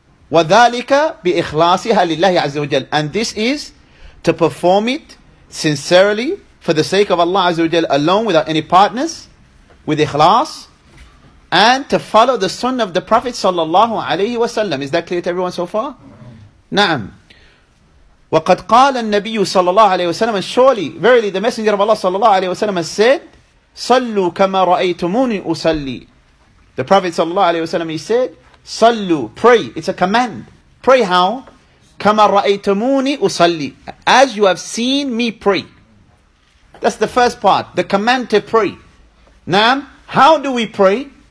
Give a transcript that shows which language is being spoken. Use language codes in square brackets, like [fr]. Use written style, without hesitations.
[ar] وَذَلِكَ بِإِخْلَاصِهَا لِلَّهِ عَزَّ وَجَلْ. [en] And this is to perform it sincerely for the sake of Allah عز وجل alone, without any partners, with ikhlas, and to follow the sunnah of the Prophet صلى الله عليه وسلم. Is that clear to everyone so far? [ar] نعم. وَقَدْ قَالَ النَّبِيُّ صَلَّى اللَّهُ عَلَيْهِ وَسَلَّمَ, [en] surely, verily, the Messenger of Allah صلى الله عليه وسلم has said, [ar] صَلُّوا كَمَا رَأَيْتُمُونِي أُصَلِّي. [en] The Prophet صلى الله عليه وسلم, he said, صَلُّوا, pray, it's a command. Pray how? [ar] كَمَا رَأَيْتُمُونِي أُصَلِّي, [en] as you have seen me pray. That's the first part, the command to pray. Naam, how do we pray?